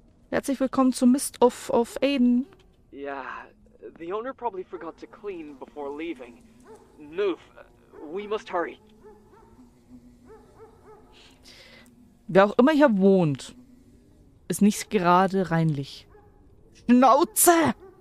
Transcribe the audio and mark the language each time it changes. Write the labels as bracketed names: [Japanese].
[German] Herzlich willkommen zu Mist of Aiden. [English] Ja, the owner probably forgot to clean before leaving. Move. We must hurry. [German] Wer auch immer hier wohnt, ist nicht gerade reinlich. Schnauze!